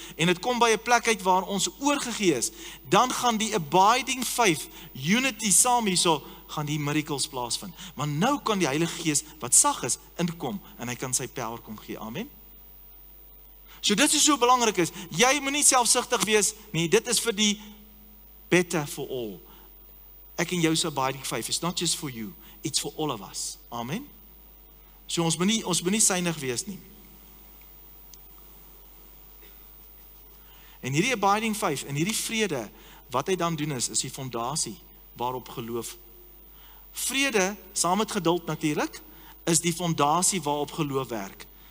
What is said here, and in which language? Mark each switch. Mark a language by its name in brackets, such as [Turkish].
[Afrikaans] En dit kom by 'n plek uit waar ons oorgegee is, dan gaan die abiding faith, unity saam hierso gaan die miracles plaasvind. Maar nou kan die Heilige Gees wat sag is inkom en hy kan sy power kom gee. Amen. So dit is so belangrik is, jy moet nie selfsugtig wees, nie, dit is vir die better for all. Ek en jou se [English] abiding faith is not just for you, it's for all of us. [Afrikaans] Amen. So ons moet nie synig wees nie. En hierdie abiding faith, en hierdie vrede, wat hy dan doen is die fondasie waarop geloof. Vrede, saam met geduld natuurlik, is die fondasie waarop geloof werk.